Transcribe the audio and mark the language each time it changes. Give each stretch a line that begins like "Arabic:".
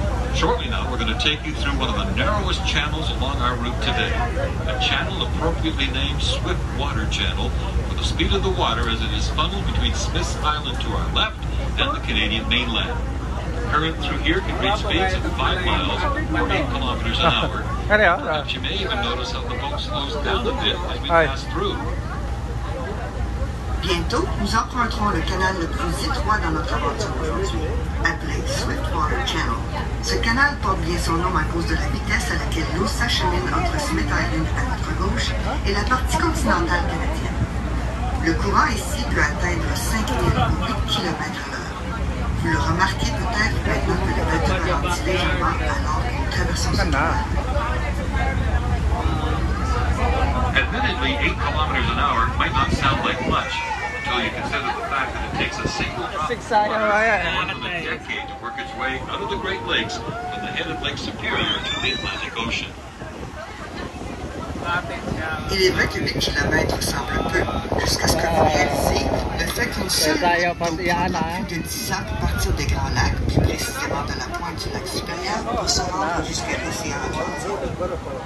English: Shortly now, we're going to take you through one of the narrowest channels along our route today, a channel appropriately named Swift Water Channel for the speed of the water as it is funneled between Smith's Island to our left and the Canadian mainland. Current through here can reach speeds of 5 miles or 8 kilometers an hour. Perhaps you may even notice how the boat slows down a bit as we pass through.
French: Bientôt, nous emprunterons le canal le plus étroit dans notre aventure aujourd'hui, appelé Swiftwater Channel. Ce canal porte bien son nom à cause de la vitesse à laquelle l'eau s'achemine entre Smith Island à notre gauche et la partie continentale canadienne. Le courant ici peut atteindre 5000 ou 8 km à l'heure. Vous le remarquez peut-être maintenant que le bateau ralentit légèrement alors que nous traversons ce canal.
English: Admittedly, 8 kilometers an hour might not sound like much until you consider the fact that it takes a single drop of water more than a decade to work its way out of the Great Lakes from the head of Lake Superior to the Atlantic Ocean.
French: Il est vrai que 8 kilomètres semble peu, jusqu'à ce que vous réalisez le fait qu'une seule bateau prend plus de 10 ans pour partir des Grands Lacs, plus précisément de la pointe du lac supérieur, pour se rendre jusqu'à l'océan Atlantique.